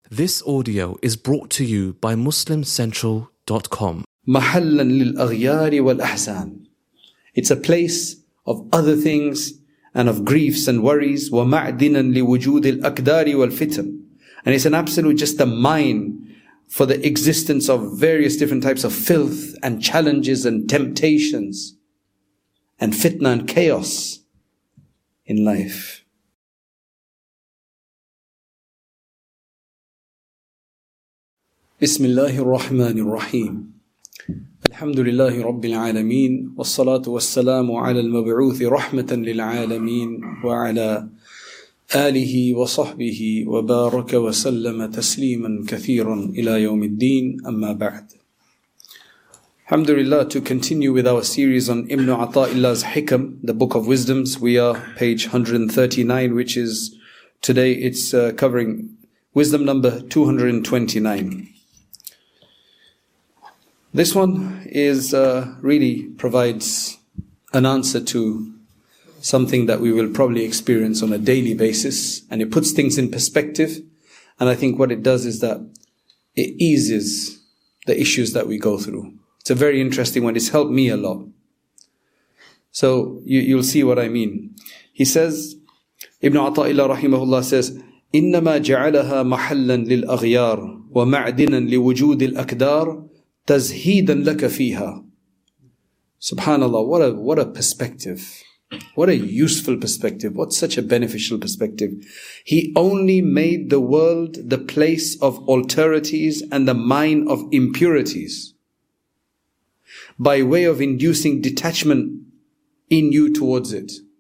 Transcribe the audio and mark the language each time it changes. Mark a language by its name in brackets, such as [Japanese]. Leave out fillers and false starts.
[English] This audio is brought to you by MuslimCentral.com. [Arabic] محلا للأغيار والأحسان. [English] It's a place of other things and of griefs and worries. [Arabic] ومعدنا لوجود الأكدار والفتن. [English] And it's an absolute just a mine for the existence of various different types of filth and challenges and temptations and fitna and chaos in life. [Arabic] بسم الله الرحمن الرحيم الحمد لله رب العالمين والصلاة والسلام على المبعوث رحمة للعالمين وعلى آله وصحبه وبارك وسلم تسليما كثيرا إلى يوم الدين أما بعد الحمد لله. [English] To continue with our series on Ibn Ata'illah's Hikam, the Book of Wisdoms, we are page 139, which is today it's covering wisdom number 229. This one is really provides an answer to something that we will probably experience on a daily basis, and it puts things in perspective. And I think what it does is that it eases the issues that we go through. It's a very interesting one. It's helped me a lot. So you'll see what I mean. He says, Ibn Ata'illah rahimahullah says, [Arabic] إِنَّمَا جَعَلَهَا مَحَلًا لِلْأَغْيَارِ وَمَعْدِنًا لِوُجُودِ الْأَكْدَارِ تَزْهِيدًا لَكَ فِيهَا. [English] Subhanallah, what a perspective. What a useful perspective. What such a beneficial perspective. He only made the world the place of alterities and the mine of impurities by way of inducing detachment in you towards it.